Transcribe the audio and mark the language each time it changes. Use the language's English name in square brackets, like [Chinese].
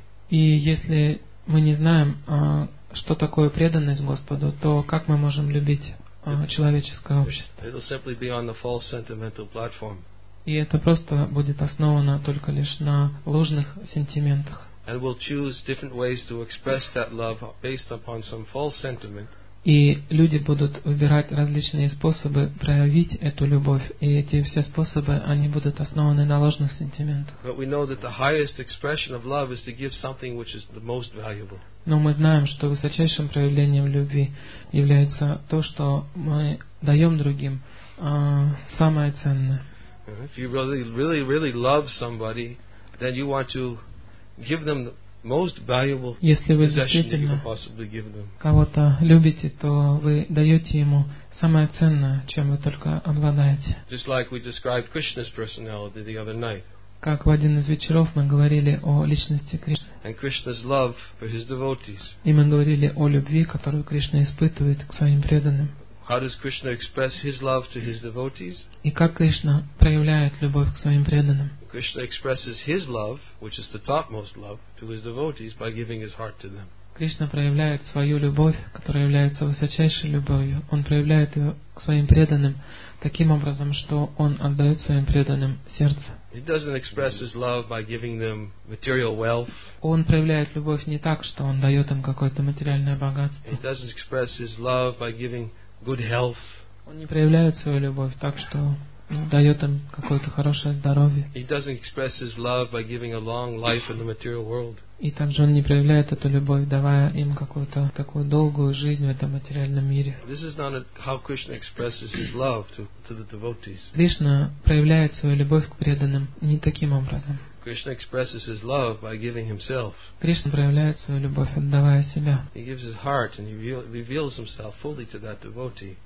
[Russian] И если мы не знаем, что такое преданность Господу, то как мы можем любить человеческое общество? [English] It'll simply be on the false sentimental platform. [Russian] И это просто будет основано только лишь на ложных сентиментах. [English] And we'll choose different ways to express that love based upon some false sentiment. [Russian] И люди будут выбирать различные способы проявить эту любовь, и эти все способы, они будут основаны на ложных сентиментах. [English] But we know that the highest expression of love is to give something which is the most valuable. [Russian] Но мы знаем, что высочайшим проявлением любви является то, что мы даем другим самое ценное. [English] If you really, really, really love somebody, then you want to give them the most valuable possession that you can possibly give them. [Russian] Кого-то любите, то вы даете ему самое ценное, чем вы только обладаете. [English] Just like we described Krishna's personality the other night. [Russian] Как в один из вечеров мы говорили о личности Кришны. [English] And Krishna's love for his devotees. [Russian] И мы говорили о любви, которую Кришна испытывает к своим преданным. [English] How does Krishna express his love to his devotees? [Russian] И как Кришна проявляет любовь к своим преданным? [English] Krishna expresses his love, which is the topmost love, to his devotees by giving his heart to them. [Russian] Кришна проявляет свою любовь, которая является высочайшей любовью. Он проявляет ее к своим преданным таким образом, что он отдает своим преданным сердце. [English] He doesn't express his love by giving them material wealth. [Russian] Он проявляет любовь не так, что он дает им какое-то материальное богатство. [English] He doesn't express his love by giving good health. [Russian] Он не проявляет свою любовь так, что дает им какое-то хорошее здоровье. [English] He doesn't express his love by giving a long life in the material world. [Russian] И также он не проявляет эту любовь, давая им какую-то такую долгую жизнь в этом материальном мире. [English] This is not how Krishna expresses his love to the devotees. [Russian] Кришна проявляет свою любовь к преданным не таким образом. [English] Krishna expresses his love by giving himself. [Russian] Кришна проявляет свою любовь, отдавая себя. [English] He gives his heart and he reveals himself fully to that devotee.